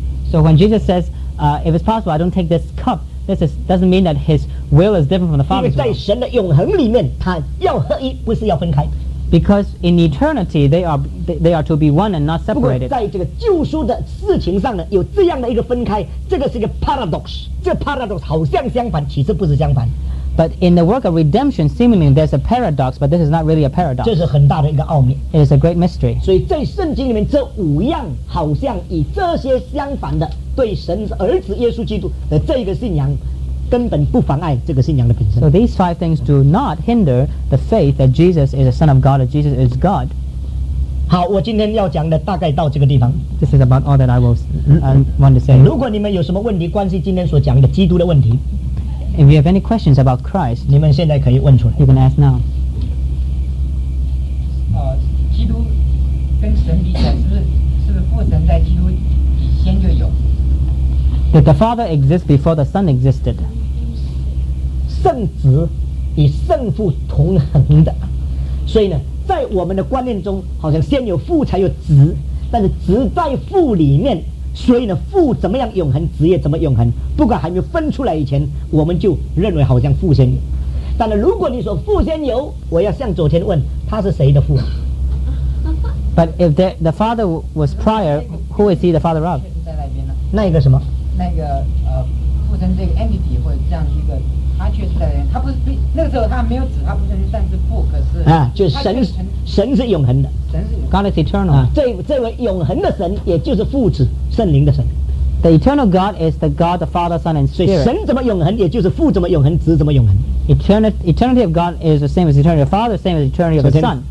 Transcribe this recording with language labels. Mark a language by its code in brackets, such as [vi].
[en] So when Jesus says, "If it's possible, I don't take this cup." This doesn't mean that his will is different from the Father's will. [zh] 因为在神的永恒里面，他要合一，不是要分开。 [en] Because in eternity they are to be one and not separated. [zh] 不过在这个救赎的事情上呢，有这样的一个分开，这个是一个 paradox. 这 paradox 好像相反，其实不是相反。 [en] But in the work of redemption, seemingly there's a paradox, but this is not really a paradox. [zh] 这是很大的一个奥秘。 [en] It is a great mystery. [zh] 所以在圣经里面，这五样好像与这些相反的。对神儿子耶稣基督的这个信仰根本不妨碍这个信仰的本身。 [en] So these five things do not hinder the faith that Jesus is the Son of God, that Jesus is God. [zh] 好，我今天要讲的大概到这个地方。 [en] This is about all that I want to say. [zh] 如果你们有什么问题关系今天所讲的基督的问题， [en] If you have any questions about Christ, [zh] 你们现在可以问出来。 [en] You can ask now. [zh] 基督跟神比较是不是父神在基督以先就有？ [en] Did the Father exist before the Son existed? [zh] 圣子与圣父同恒的，所以呢，在我们的观念中，好像先有父才有子，但是子在父里面，所以呢，父怎么样永恒，子也怎么永恒。不管还没有分出来以前，我们就认为好像父先有。但是如果你说父先有，我要向昨天问，他是谁的父？ [en] But if the father was prior, who is he the father of? [zh] 那一个什么？那个父神这个 entity 或者这样一个，他确实在那边，他不是那个时候他没有子，他不是，但是父可是啊，就是神是永恒的，神是 [en] God is eternal 啊， [zh] 这位永恒的神也就是父子圣灵的神。 [en] The eternal God is the God, the Father, Son, and Spirit. [zh] 神怎么永恒，也就是父怎么永恒，子怎么永恒。 [en] Eternity of God is the same as eternity of Father, same as eternity of the Son.